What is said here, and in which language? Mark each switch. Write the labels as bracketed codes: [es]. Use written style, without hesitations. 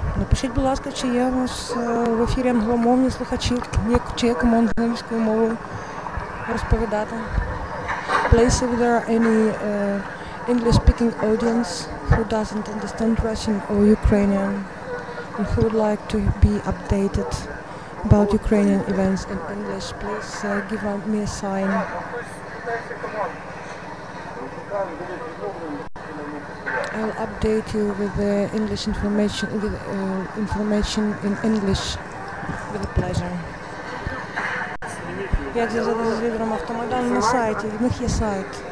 [uk] Скажіть, будь ласка, чи є у вас в ефірі англомовні слухачі, чи є кому англійською мовою розповідати? [en] Please, if there are any English-speaking audience who doesn't understand Russian or Ukrainian and who would like to be updated about Ukrainian events in English, please give me a sign. I'll update you with the English information, with information in English, with a pleasure. [uk] Як зв'язатися з лідером Автомайдану на сайті? В них є сайт.